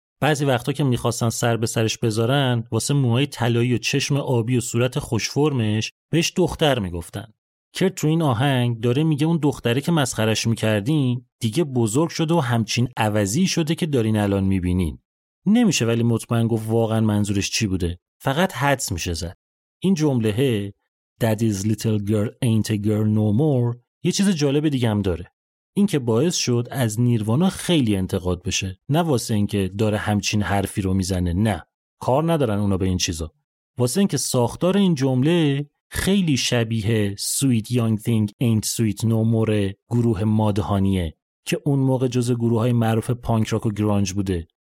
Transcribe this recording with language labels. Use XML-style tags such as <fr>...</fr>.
<fa>بعضی وقتا که میخواستن سر به سرش بذارن، واسه موهای طلایی و چشم آبی و صورت خوشفرمش بهش دختر میگفتن. کرت تو این آهنگ داره میگه اون دختره که مسخرش میکردین دیگه بزرگ شده و همچین عوضی شده که دارین الان میبینین. نمیشه ولی مطمئن گفت واقعا منظورش چی بوده، فقط حدس میشه زد. این جمله</fa> <en>"That is little girl ain't a girl no more"</en> <fa>یه چیز جالب دیگه هم داره. این که باعث شد از نیروانا خیلی انتقاد بشه، نه واسه اینکه داره همچین حرفی رو میزنه، نه، کار ندارن اونا به این چیزا، واسه اینکه ساختار این جمله خیلی شبیه</fa> <en>"Sweet young thing ain't sweet no more"</en> <fa>گروه مادهانیه که اون موقع جز گروه‌های معروف پانک راک و گرانج بوده.</fa>